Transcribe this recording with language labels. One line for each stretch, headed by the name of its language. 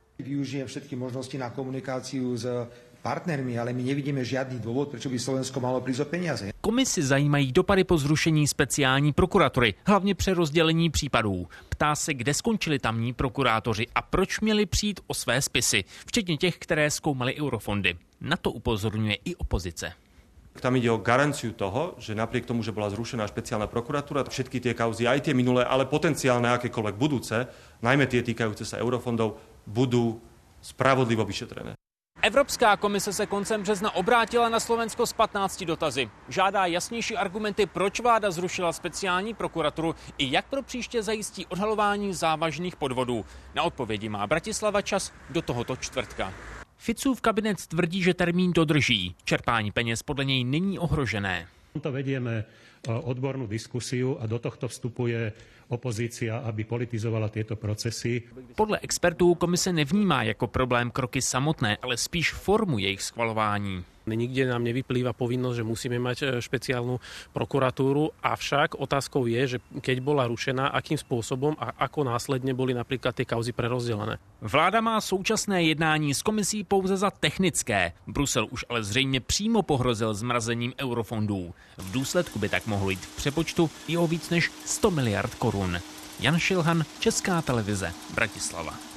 Slovak: Využijeme všetky možnosti na komunikáciu s partnermi, ale my
Czech: nevidíme žádný důvod, proč by
Slovak: Slovensko malo prísť o peniaze.
Czech: Komisi zajímají dopady po zrušení speciální prokuratury, hlavně přerozdělení případů. Ptá se, kde skončili tamní prokurátoři a proč měli přijít o své spisy, včetně těch, které zkoumaly eurofondy. Na to upozorňuje i opozice.
Slovak: Tam ide o garanciu toho, že napriek tomu, že bola zrušená špeciálna prokuratúra, všetky tie kauzy, aj tie minulé, ale potenciálne akékoľvek budúce, najmä tie týkajúce sa eurofondov, budú spravodlivo vyšetrené.
Czech: Evropská komise se koncem března obrátila na Slovensko s 15 dotazy. Žádá jasnější argumenty, proč vláda zrušila speciální prokuraturu i jak pro příště zajistí odhalování závažných podvodů. Na odpovědi má Bratislava čas do tohoto čtvrtka. Ficův kabinet tvrdí, že termín dodrží. Čerpání peněz podle něj není ohrožené.
Slovak: To vedeme odbornou diskusiu a do tohto vstupuje opozícia, aby politizovala tieto procesy.
Czech: Podle expertů komise nevnímá jako problém kroky samotné, ale spíš formu jejich schvalování.
Slovak: Nikde nám nevyplýva povinnosť, že musíme mať špeciálnu prokuratúru, avšak otázkou je, že keď bola rušená, akým spôsobom a ako následne boli napríklad tie kauzy prerozdelené.
Czech: Vláda má současné jednání s komisí pouze za technické. Brusel už ale zřejmě přímo pohrozil zmrazením eurofondů. V důsledku by tak mohlo jít v přepočtu i o víc než 100 miliard korun. Jan Šilhan, Česká televize, Bratislava.